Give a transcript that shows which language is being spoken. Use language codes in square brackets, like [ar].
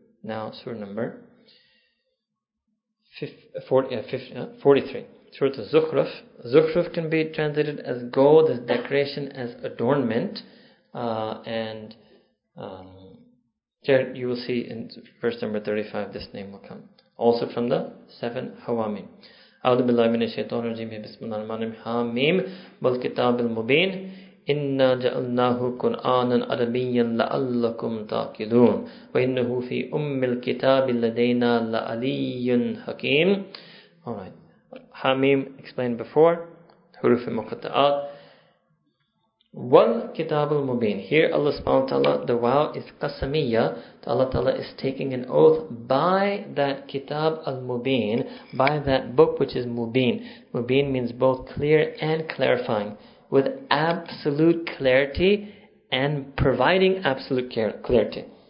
[en] Now surah number 43. Surah Zukhruf. Zukhruf can be translated as gold, as decoration, as adornment. There you will see in verse number 35 this name will come. Also from the seven Hawamim. [ar] أعوذ بالله من الشيطان الرجيم بسم الله الرحمن الرحيم حاميم والكتاب المبين إنا جعلناه قرآنا عربيا لعلكم تعقلون وإنه في أم الكتاب لدينا لعلي حكيم. [en] Alright. حاميم explained before. [ar] حروف المقطعات. والكتاب المبين. [en] Here Allah subhanahu wa ta'ala, the wow is qasamiyya. Allah ta'ala is taking an oath by that kitab al-mubin, by that book which is mubin. Mubin means both clear and clarifying, with absolute clarity and providing absolute clarity.